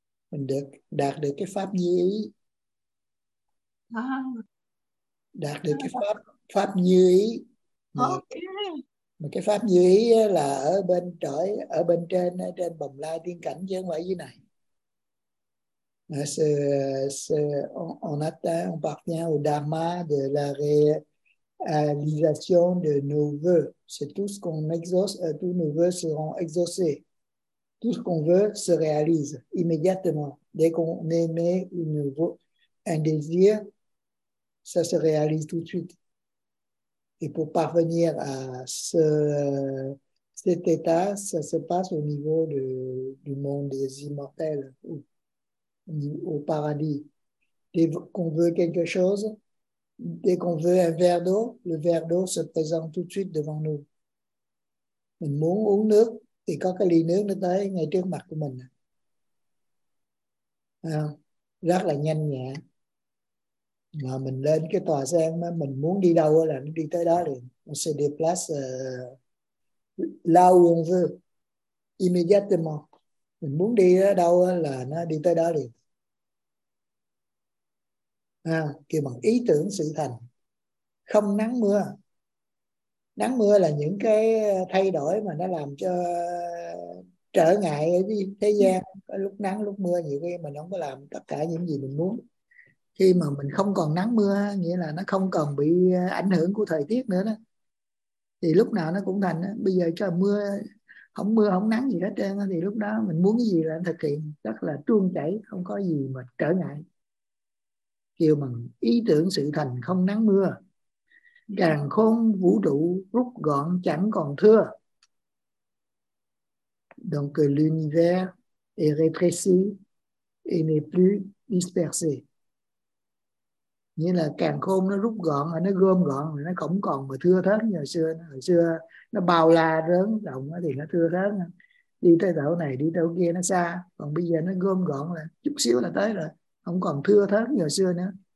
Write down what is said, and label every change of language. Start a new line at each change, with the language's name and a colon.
Vietnamese: Mình được đạt được cái pháp như ý, đạt được cái pháp như ý, mà cái pháp như ý là ở bên trời, ở bên trên, trên bồng lai tiên cảnh chứ không phải dưới này.
French: On atteint, on parvient au dharma de la réalisation de nos vœux. C'est tout ce qu'on exauce, tous nos vœux seront exaucés. Tout ce qu'on veut se réalise immédiatement. Dès qu'on émet un désir, ça se réalise tout de suite. Et pour parvenir à cet état, ça se passe au niveau du monde des immortels, au paradis. Dès qu'on veut quelque chose, dès qu'on veut un verre d'eau, le verre d'eau se présente tout de suite devant nous.
Vietnamese: Mình muốn uống nước, thì có cái ly nước nó tới ngay trước mặt của mình. Rất là nhanh nhẹ. Mà mình lên cái tòa sen, mình muốn đi đâu là nó đi tới đó liền.
French: On se déplace là où on veut, immédiatement.
Vietnamese: Mình muốn đi đâu là nó đi tới đó liền. Kêu bằng ý tưởng sự thành. Không nắng mưa. Nắng mưa là những cái thay đổi mà nó làm cho trở ngại ở thế gian. Lúc nắng, lúc mưa, nhiều khi mình không có làm tất cả những gì mình muốn. Khi mà mình không còn nắng mưa, nghĩa là nó không còn bị ảnh hưởng của thời tiết nữa đó, thì lúc nào nó cũng thành. Bây giờ cho mưa, không nắng gì hết trơn, thì lúc đó mình muốn cái gì là thực hiện rất là trôi chảy, không có gì mà trở ngại. Kêu bằng ý tưởng sự thành không nắng mưa, càng khôn vũ trụ rút gọn chẳng còn thưa.
French: Donc l'univers est rétréci et n'est plus dispersé.
Vietnamese: Nghĩa là càng khôn nó rút gọn, nó gom gọn, nó không còn mà thưa thớt như hồi xưa nó bao la lớn rộng thì nó thưa thớt. Đi tới chỗ này, đi tới kia nó xa. Còn bây giờ nó gom gọn là chút xíu là tới rồi. Không còn thưa thớt như hồi xưa nữa.